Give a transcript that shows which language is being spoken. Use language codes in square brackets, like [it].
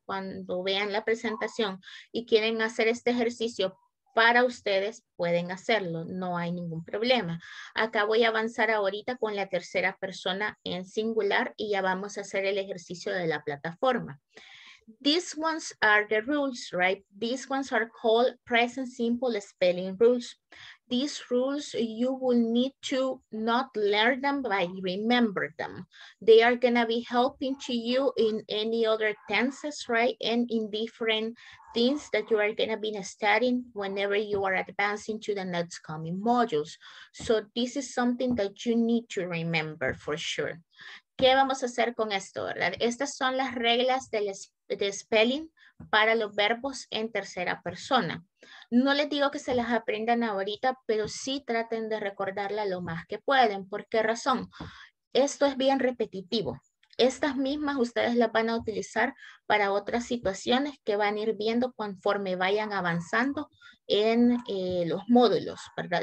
[es] Cuando vean la presentación y quieren hacer este ejercicio para ustedes, pueden hacerlo. No hay ningún problema. Acá voy a avanzar ahorita con la tercera persona en singular y ya vamos a hacer el ejercicio de la plataforma. [en] These ones are the rules, right? These ones are called present simple spelling rules. These rules, you will need to not learn them, but remember them. They are going to be helping to you in any other tenses, right? And in different things that you are going to be studying whenever you are advancing to the next coming modules. So this is something that you need to remember for sure. [es] ¿Qué vamos a hacer con esto, verdad? Estas son las reglas del de spelling para los verbos en tercera persona. No les digo que se las aprendan ahorita, pero sí traten de recordarla lo más que pueden. ¿Por qué razón? Esto es bien repetitivo. Estas mismas ustedes las van a utilizar para otras situaciones que van a ir viendo conforme vayan avanzando en los módulos, ¿verdad?